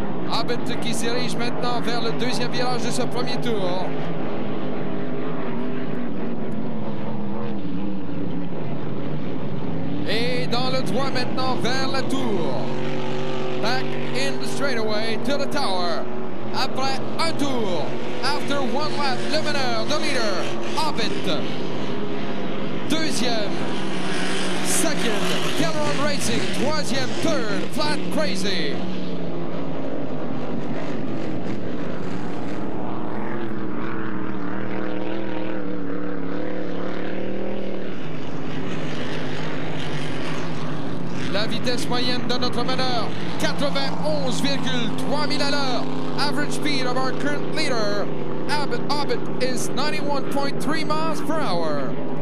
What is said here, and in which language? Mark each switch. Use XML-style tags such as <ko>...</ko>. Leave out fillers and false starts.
<fr>Abbott qui s'érige maintenant vers le deuxième virage de ce premier tour. Et dans le droit maintenant vers la tour.</fr> <en>Back in the straightaway to the tower.</en> <fr>Après un tour.</fr> <en>After one lap,</en> <fr>le meneur,</fr> <en>the leader,</en> <fr>Abbott. Deuxième.</fr> <en>Second, Cameron Racing.</en> <fr>Troisième,</fr> <en>third, Flat Crazy.</en> <fr>La vitesse moyenne de notre meneur, 91,3 miles à l'heure.</fr> <en>Average speed of our current leader, Abbott is 91.3 miles per hour.</en>